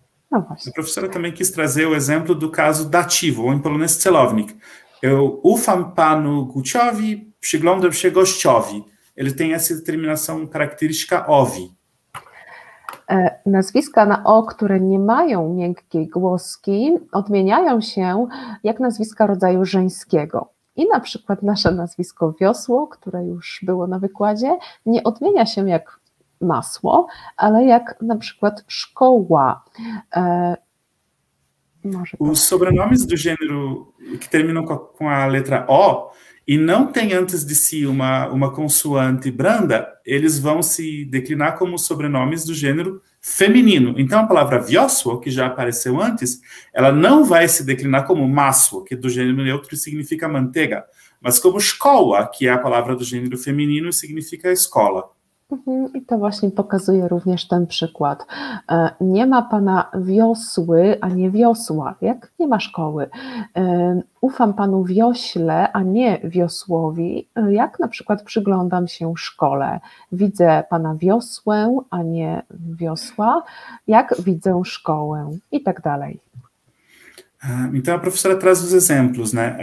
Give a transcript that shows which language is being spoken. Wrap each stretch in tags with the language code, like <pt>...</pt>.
<pl>No właśnie.</pl> <pt>Profesora também quis trazer o exemplo do caso dativo, em polonês celownik.</pt> <pl>Eu ufam panu Guciowi, przyglądam się gościowi.</pl> <pt>Ele tem essa terminação característica owi.</pt> <pl>Nazwiska na O, które nie mają miękkiej głoski, odmieniają się jak nazwiska rodzaju żeńskiego. I na przykład nasze nazwisko Wiosło, które już było na wykładzie, nie odmienia się jak masło, ale jak na przykład szkoła. Może tak.</pl> <pt>Os sobrenomes do gênero que terminam com a letra O e não tem antes de si uma consoante branda, eles vão se declinar como sobrenomes do gênero feminino. Então, a palavra Wiosło, que já apareceu antes, ela não vai se declinar como Masło, que do gênero neutro significa manteiga, mas como Szkoła, que é a palavra do gênero feminino e significa escola.</pt> <pl>I to właśnie pokazuje również ten przykład. Nie ma pana Wiosły, a nie Wiosła, jak nie ma szkoły. Ufam panu Wiośle, a nie Wiosłowi, jak na przykład przyglądam się szkole. Widzę pana Wiosłę, a nie Wiosła, jak widzę szkołę i tak dalej.</pl> <pt>Então a professora traz os exemplos, né?</pt>